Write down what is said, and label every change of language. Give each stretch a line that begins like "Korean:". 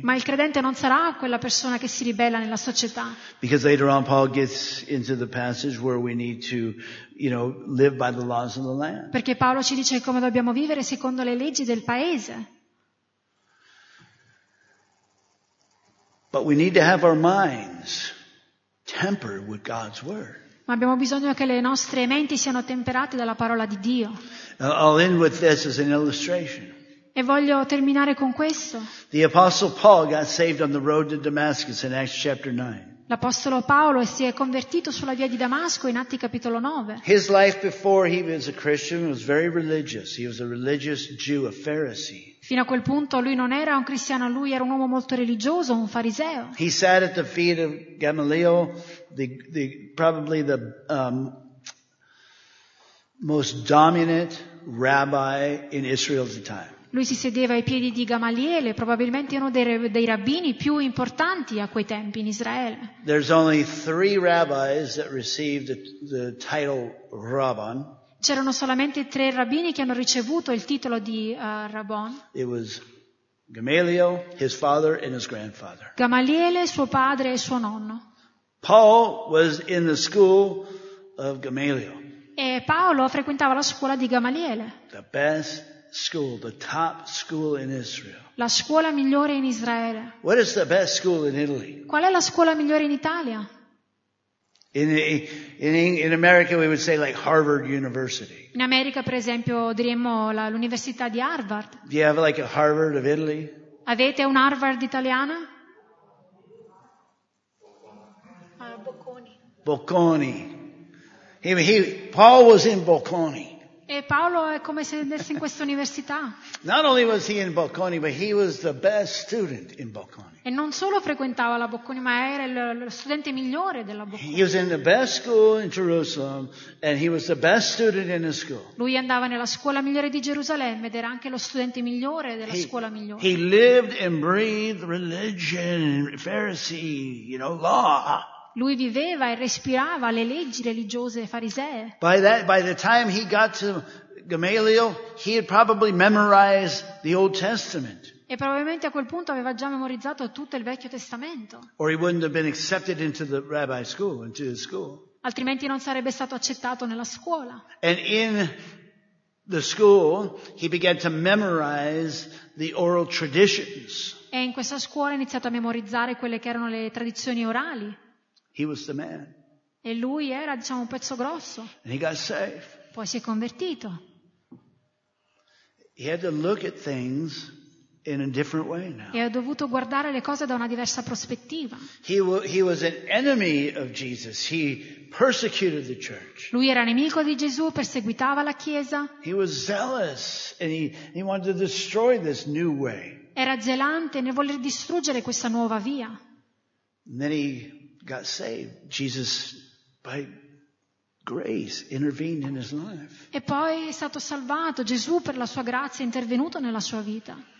Italian: Ma il credente non sarà quella persona che si ribella nella società.
English: Because later on Paul gets into the passage where we need to, live by the laws of the land.
Italian: Perché Paolo ci dice come dobbiamo vivere secondo le leggi del paese.
English: But we need to have our minds tempered with God's word.
Italian: Ma abbiamo bisogno che le nostre menti siano temperate dalla parola di Dio.
English: I'll end with this as an illustration.
Italian: E voglio terminare con questo.
English: The Apostle Paul got saved on the road to Damascus in Acts chapter 9.
Italian: L'apostolo Paolo si è convertito sulla via di Damasco in Atti capitolo 9.
English: His life before he was a Christian was very religious. He was a religious Jew, a Pharisee.
Italian: Fino a quel punto lui non era un cristiano, lui era un uomo molto religioso, un fariseo.
English: He sat at the feet of Gamaliel, probably the most dominant rabbi in Israel at the time.
Italian: Lui si sedeva ai piedi di Gamaliele, probabilmente uno dei rabbini più importanti a quei tempi in Israele.
English: There's only three rabbis that received the title Rabban.
Italian: C'erano solamente tre rabbini che hanno ricevuto il titolo di Rabbon.
English: It was Gamaliel, his father, and his grandfather.
Italian: Gamaliele, suo padre e suo nonno.
English: Paul was in the school of Gamaliel.
Italian: E Paolo frequentava la scuola di Gamaliele.
English: The best school, the top school in Israel.
Italian: La scuola migliore in Israele.
English: What is the best school in Italy?
Italian: Qual è la scuola migliore in Italia?
English: In America we would say like Harvard University.
Italian: In America, per esempio, diremmo l'università di Harvard.
English: Do you have like a Harvard of Italy?
Italian: Avete un Harvard italiana?
English: Bocconi. Paul was in Bocconi.
Italian: E Paolo è come se andasse in questa università.
English: Not only was he in Bocconi, but he was the best student in Bocconi.
Italian: E non solo frequentava la Bocconi, ma era lo studente migliore della Bocconi.
English: He was in the best school in Jerusalem, and he was the best student in the school.
Italian: Lui andava nella scuola migliore di Gerusalemme ed era anche lo studente migliore della scuola migliore.
English: He lived and breathed religion, Pharisee, law.
Italian: Lui viveva e respirava le leggi religiose farisee.
English: By the time he got to Gamaliel, he had probably memorized the Old Testament.
Italian: E probabilmente a quel punto aveva già memorizzato tutto il Vecchio Testamento.
English: Or he wouldn't have been accepted into the rabbi school, into the school.
Italian: Altrimenti non sarebbe stato accettato nella scuola.
English: And in the school, he began to memorize the oral traditions.
Italian: E in questa scuola ha iniziato a memorizzare quelle che erano le tradizioni orali.
English: He was the man.
Italian: E lui era, diciamo, un pezzo grosso.
English: And he got saved.
Italian: Poi si è convertito.
English: He had to look at things in a different way now.
Italian: E ha dovuto guardare le cose da una diversa prospettiva.
English: He was an enemy of Jesus. He persecuted the church.
Italian: Lui era nemico di Gesù, perseguitava la chiesa.
English: He was zealous and he wanted to destroy this new way.
Italian: Era zelante nel voler distruggere questa nuova via.
English: And then he got saved. Jesus by grace intervened in his life.
Italian: E poi è stato salvato. Gesù per la sua grazia è intervenuto nella sua vita.